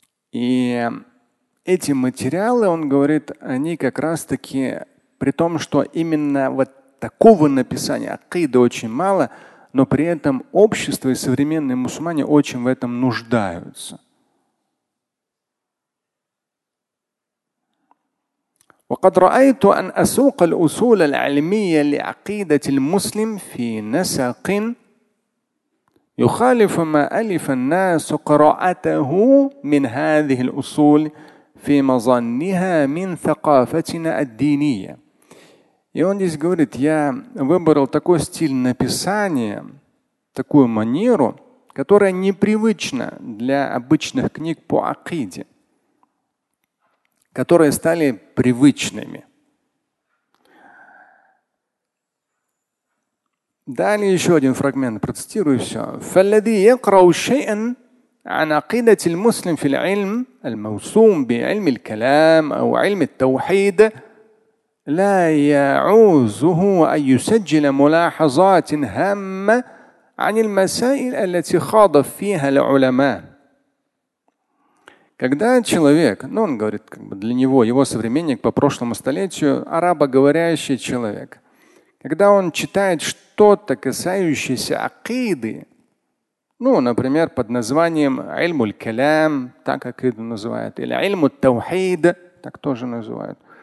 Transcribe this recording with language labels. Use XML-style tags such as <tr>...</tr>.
<ru>И эти материалы, он говорит, они как раз-таки, при том, что именно вот такого написания акиды очень мало, но при этом общество и современные мусульмане очень в этом нуждаются.</ru> <ar>وقد رأيت أن أسوق الأصول العلمية لعقيدة المسلم في نسق يخالف ما ألف الناس قراءته من هذه الأصول في مظنها من ثقافتنا الدينية.</ar> <ru>И он здесь говорит, я выбрал такой стиль написания, такую манеру, которая непривычна для обычных книг по акиде, которые стали привычными. Далее еще один фрагмент процитирую, все.</ru> <ar>فالذي يقرأ شيئا عن عقيدة المسلم في العلم الموسوم بعلم الكلام أو علم التوحيد لا يعوزه أن يسجل ملاحظات هامة عن المسائل التي خاض فيها العلماء.</ar> <ru>Когда человек, ну он говорит, как бы для него, его современник по прошлому столетию, арабоговорящий человек, когда он читает что-то, касающееся акиды, ну, например, под названием «Ильму-ль-Калям», так акиду называют, или «Ильму-ль-Таухид», так тоже называют,</ru>